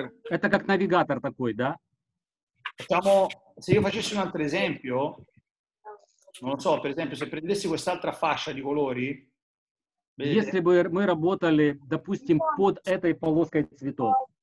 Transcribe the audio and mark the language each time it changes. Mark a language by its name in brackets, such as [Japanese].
[Russian] Это как навигатор такой, да? [Italian] Diciamo, se io facessi un altro esempio, non lo so, per esempio, se prendessi quest'altra fascia di colori, vedete? [Russian] Если бы мы работали, допустим, под этой полоской цветов.